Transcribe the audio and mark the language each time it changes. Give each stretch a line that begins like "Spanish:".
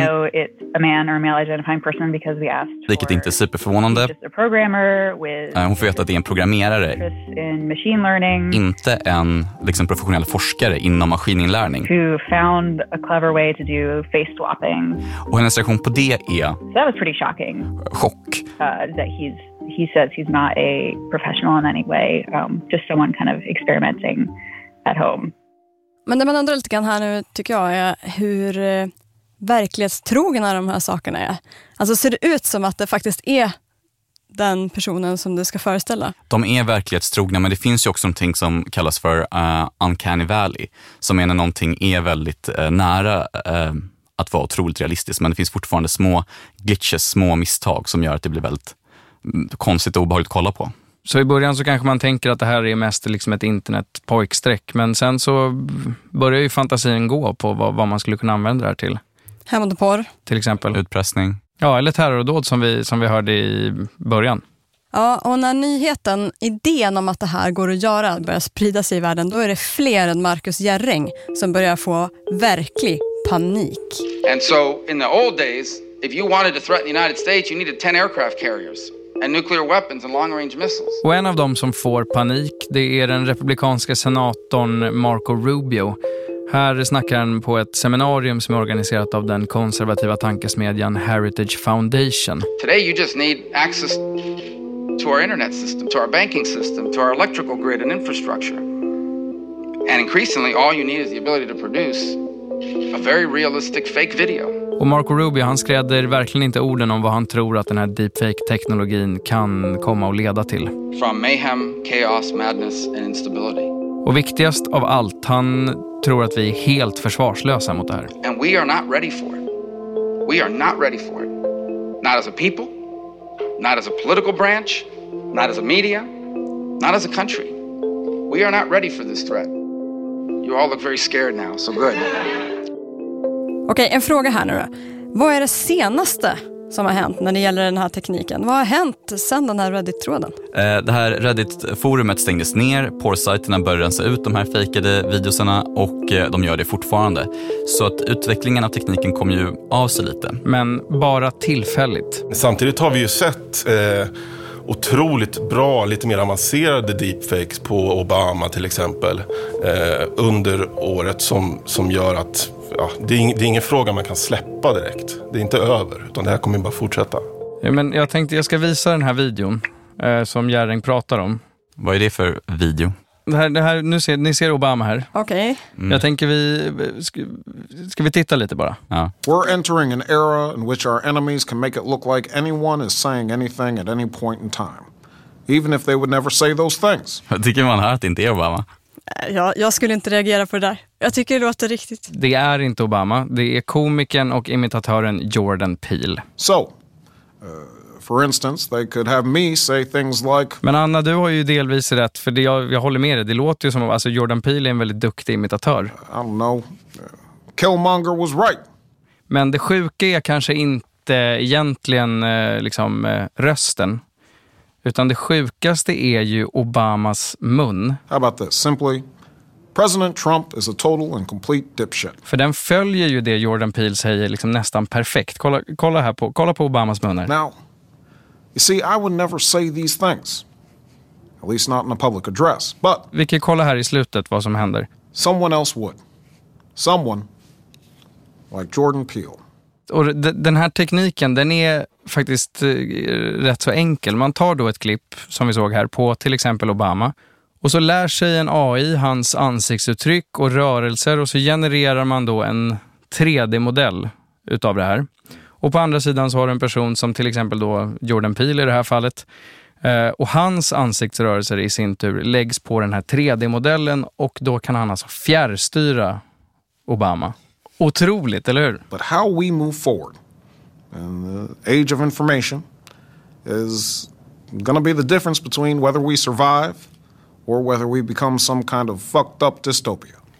English: No, it's a man or a male identifying person because we asked.
Swedish: Vilket inte är superförvånande.
English: Just a programmer with.
Swedish: Hon får veta att det är en programmerare.
English: In machine learning.
Swedish: Inte en liksom professionell forskare inom maskininlärning.
English: Who found a clever way to do face swapping.
Swedish: Och hennes reaktion på det är.
English: So that was pretty shocking.
Swedish: Chock. That he says he's not a professional in any way, just someone kind of experimenting at home. Men det man undrar lite grann här nu tycker jag är hur verklighetstrogna de här sakerna är. Alltså ser det ut som att det faktiskt är den personen som du ska föreställa? De är verklighetstrogna, men det finns ju också någonting som kallas för Uncanny Valley. Som är när någonting är väldigt nära att vara otroligt realistiskt. Men det finns fortfarande små glitches, små misstag som gör att det blir väldigt konstigt och obehagligt att kolla på. Så i början så kanske man tänker att det här är mest liksom ett internetpojksträck, men sen så börjar ju fantasin gå på vad man skulle kunna använda det här till. Hämnd och porr. Till exempel. Utpressning. Ja, eller terrordåd som vi hörde i början. Ja, och när nyheten, idén om att det här går att göra börjar sprida sig i världen, då är det fler än Marcus Järring som börjar få verklig panik.
English: And so in the old days, if you wanted to threaten the United States, you needed 10 aircraft carriers. And nuclear weapons and long-range missiles.
Swedish: Och en av dem som får panik, det är den republikanska senatorn Marco Rubio. Här snackar han på ett seminarium som är organiserat av den konservativa tankesmedjan Heritage Foundation.
English: Today you just need access to our internet system, to our banking system, to our electrical grid and infrastructure. And increasingly all you need is the ability to produce a very realistic fake video.
Swedish: Och Marco Rubio, han skräder verkligen inte orden om vad han tror att den här deepfake-teknologin kan komma att leda till.
English: From mayhem, chaos, madness and instability.
Swedish: Och viktigast av allt, han tror att vi är helt försvarslösa mot det här.
English: And we are not ready for it. We are not ready for it. Not as a people, not as a political branch, not as a media, not as a country. We are not ready for this threat. You all look very scared now, so good.
Swedish: Okej, en fråga här nu då. Vad är det senaste som har hänt när det gäller den här tekniken? Vad har hänt sedan den här Reddit-tråden? Det här Reddit-forumet stängdes ner. Porr-sajterna började rensa ut de här fejkade videoserna och de gör det fortfarande. Så att utvecklingen av tekniken kom ju av sig lite. Men bara tillfälligt. Samtidigt har vi ju sett otroligt bra, lite mer avancerade deepfakes på Obama till exempel under året som gör att ja, det är ingen fråga man kan släppa direkt. Det är inte över, utan det här kommer bara fortsätta. Ja, men jag tänkte jag ska visa den här videon som Järring pratar om. Vad är det för video? Det här, ni ser Obama här. Okej.
English: Okay.
Swedish: Mm. Jag tänker ska vi titta lite bara. Ja.
English: We're entering an era in which our enemies can make it look like anyone is saying anything at any point in time. Even if they would never say those things.
Swedish: Tycker man här att det inte är Obama? Jag skulle inte reagera på det där. Jag tycker det låter riktigt. Det är inte Obama. Det är komikern och imitatören Jordan Peele.
English: So, for instance, they could have me say things like...
Swedish: Men Anna, du har ju delvis rätt. För det jag håller med dig. Det låter ju som att Jordan Peele är en väldigt duktig imitatör.
English: I don't know. Killmonger was right.
Swedish: Men det sjuka är kanske inte egentligen liksom rösten. Utan det sjukaste är ju Obamas mun.
English: How about this? Simply, President Trump is a total and complete dipshit.
Swedish: För den följer ju det Jordan Peele säger liksom nästan perfekt. Kolla på Obamas mun här.
English: Now, you see, I would never say these things. At least not in a public address. But
Swedish: vi kan kolla här i slutet vad som händer.
English: Someone else would. Someone like Jordan Peele.
Swedish: Och den här tekniken, den är faktiskt rätt så enkel. Man tar då ett klipp som vi såg här på till exempel Obama. Och så lär sig en AI hans ansiktsuttryck och rörelser. Och så genererar man då en 3D-modell utav det här. Och på andra sidan så har du en person som till exempel då Jordan Peele i det här fallet. Och hans ansiktsrörelser i sin tur läggs på den här 3D-modellen. Och då kan han alltså fjärrstyra Obama. Otroligt, eller hur?
English: But how we move forward in the age of information is going to be the difference between whether we survive or whether we become some kind of fucked up dystopia.